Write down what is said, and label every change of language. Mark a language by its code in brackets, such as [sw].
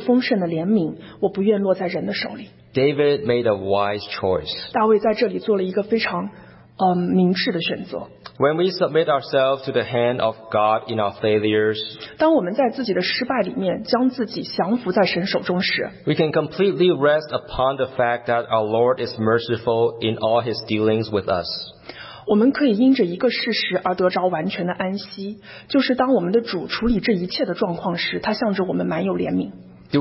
[zh] 在这里大卫说，我愿落在耶和华的手里，因为他有丰盛的怜悯，我不愿落在人的手里。David [en] made a wise choice. [zh] 大卫在这里做了一个非常 明智的选择。 [en] When we submit ourselves to the hand of God in our failures, [zh] 当我们在自己的失败里面将自己降服在神手中时, [en] we can completely rest upon the fact that our Lord is merciful in all his dealings with us. [zh] 我们可以因着一个事实而得着完全的安息，就是当我们的主处理这一切的状况时，他向着我们满有怜悯。 [en] Do